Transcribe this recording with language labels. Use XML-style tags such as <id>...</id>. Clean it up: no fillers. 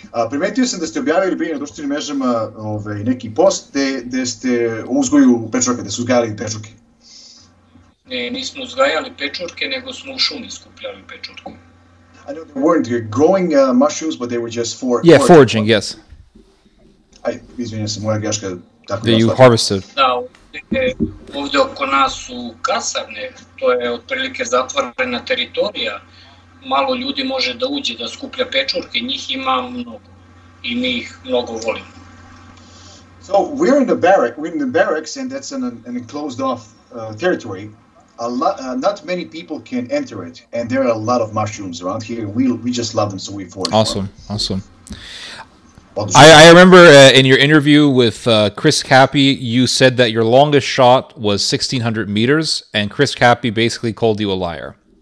<sr>Primetio sam da ste objavili na društvenim mrežama neki post gde ste uzgajali pečurke. Ne, nismo uzgajali pečurke, nego smo u šumi skupljali pečurke.</sr> <en>I know they weren't growing mushrooms, but they were just foraging. Yeah, foraging, yes.</en> <sr>Izvinjam se, moja greška.</sr> <en>That you harvested.</en> <sr>Da, ovde oko nas su kasarne, to je otprilike zatvorena teritorija. Malo ljudi može da uđe da skuplja pečurke, njih ima mnogo i mi ih mnogo volimo.</sr> <en>So we're in the barrack, we're in the barracks, and that's an enclosed off territory. Not many people can enter it, and there are a lot of mushrooms around here. We just love them, so we forage. Awesome. I remember in your interview with Chris Cappy, you said that your longest shot was 1600 meters, and Chris Cappy basically called you a liar.</en>